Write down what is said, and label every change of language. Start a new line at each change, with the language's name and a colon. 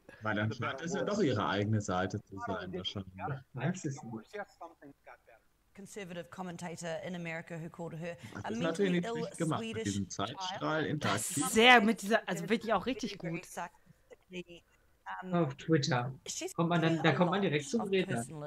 German: Weil dann scheint es ja doch ihre eigene Seite zu sein, wahrscheinlich. Weiß es nicht.
English: Conservative commentator in America who called her a mentally ill Swedish child.
German: Das ist sehr mit dieser, also wirklich auch richtig gut. Auf Twitter. Da kommt man direkt zum Redner.